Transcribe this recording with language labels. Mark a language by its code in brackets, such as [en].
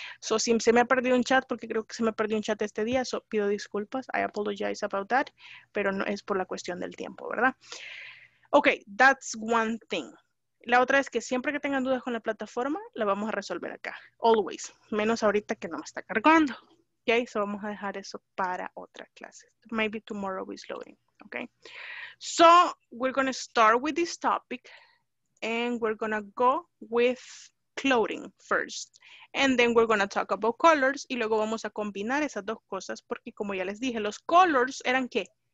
[es] So, si se me ha perdido un chat, porque creo que se me ha perdido un chat este día, so, pido disculpas, I apologize about that, pero no es por la cuestión del tiempo, ¿verdad? [en] Ok, that's one thing. [es] La otra es que siempre que tengan dudas con la plataforma, la vamos a resolver acá. Always. Menos ahorita que no me está cargando. Y ahí se vamos a dejar eso para otra clase. [en] Maybe tomorrow is loading. Okay. So, we're going to start with this topic. And we're going to go with clothing first. And then we're going to talk about colors. [es] Y luego vamos a combinar esas dos cosas. Porque como ya les dije, los colors eran ¿qué?